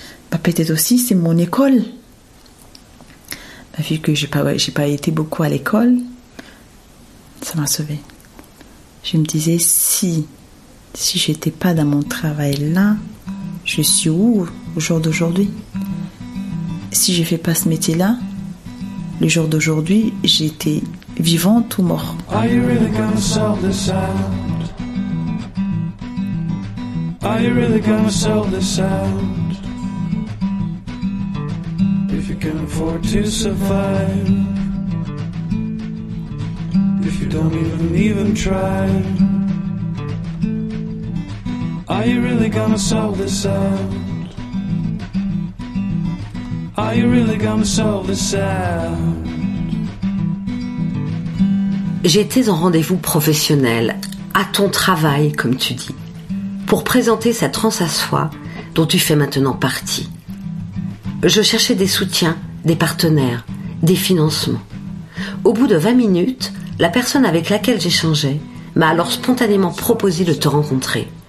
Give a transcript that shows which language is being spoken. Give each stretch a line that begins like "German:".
French: Bah, peut-être aussi, c'est mon école. Bah, vu que j'ai pas été beaucoup à l'école, ça m'a sauvée. Je me disais, si j'étais pas dans mon travail là, je suis où au jour d'aujourd'hui? Si je fais pas ce métier là, le jour d'aujourd'hui, j'étais vivante ou mort.
English: Are you really gonna sell this out? Are you really gonna sell this out? If you can afford to survive, if you don't even try. Are you really gonna sell this out? Are you really gonna sell this out?
French: J'étais en rendez-vous professionnel, à ton travail, comme tu dis, pour présenter cette transe à soi dont tu fais maintenant partie. Je cherchais des soutiens, des partenaires, des financements. Au bout de 20 minutes, la personne avec laquelle j'échangeais m'a alors spontanément proposé de te rencontrer.